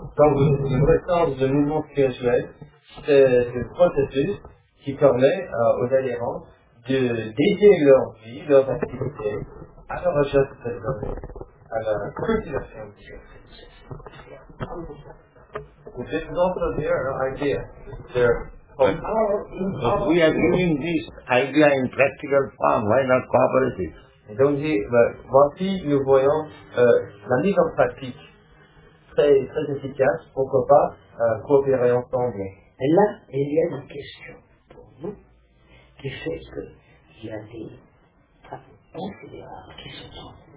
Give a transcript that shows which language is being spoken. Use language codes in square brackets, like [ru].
[fr] Donc, le ressort du mouvement spirituel, c'est le processus qui permet aux adhérents de dédier leur vie, leur activité, à la recherche de cette vie, à la cultivation de Dieu. [en] This is also their idea. We are giving this idea in practical form, why not cooperative? [fr] Et donc, voici, nous voyons la mise en pratique très, très efficace, pourquoi pas coopérer ensemble. Et là, il y a une question pour vous qui fait qu'il y a des travaux considérables qui se sont.